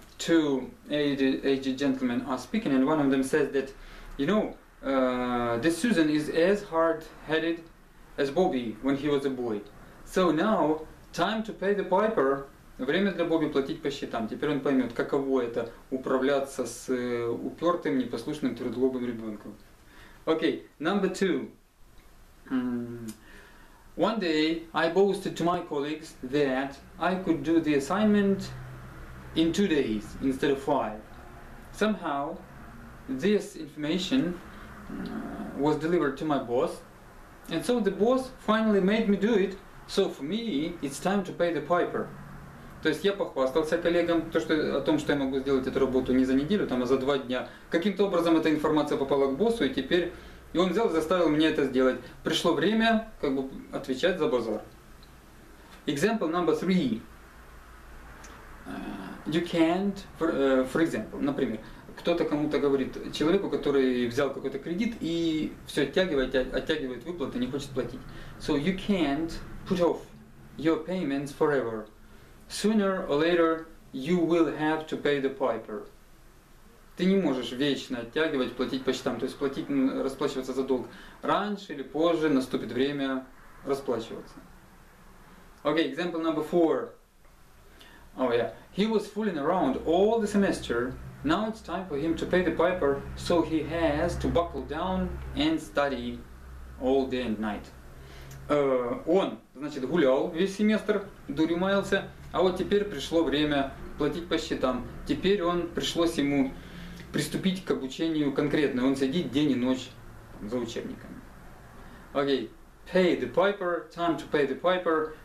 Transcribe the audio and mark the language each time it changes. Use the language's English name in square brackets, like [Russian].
[English] Two aged gentlemen are speaking, and one of them says that, you know, this Susan is as hard-headed as Bobby when he was a boy. So now, time to pay the piper. [Russian] Время для Бобби платить по счетам. Теперь он поймет, каково это управляться с упертым, непослушным, твердолобым ребенком. [English] Okay, number two. One day I boasted to my colleagues that I could do the assignment in 2 days instead of 5. Somehow this information was delivered to my boss, and so the boss finally made me do it. So for me it's time to pay the piper. [Russian] То есть я похвастался коллегам о том, что я могу сделать эту работу не за неделю, там, а за 2 дня. Каким-то образом эта информация попала к боссу, и теперь и он взял и заставил меня это сделать. Пришло время как бы отвечать за базар. [English] Example number 3. You can't, for example, [Russian] например, кто-то кому-то говорит, человеку, который взял какой-то кредит и все оттягивает выплаты, не хочет платить. [English] So you can't put off your payments forever. Sooner or later you will have to pay the piper. [Russian] Ты не можешь вечно оттягивать, платить по счетам, то есть платить, расплачиваться за долг. Раньше или позже наступит время расплачиваться. [English] Okay, example number 4. Oh yeah, he was fooling around all the semester. Now it's time for him to pay the piper, so he has to buckle down and study all day and night. [Russian] Он, значит, гулял весь семестр, дурюмаялся, а вот теперь пришло время платить по счетам. Теперь он пришлось ему приступить к обучению конкретно. Он сидит день и ночь там, за учебниками. [English] Окей, pay the piper, time to pay the piper.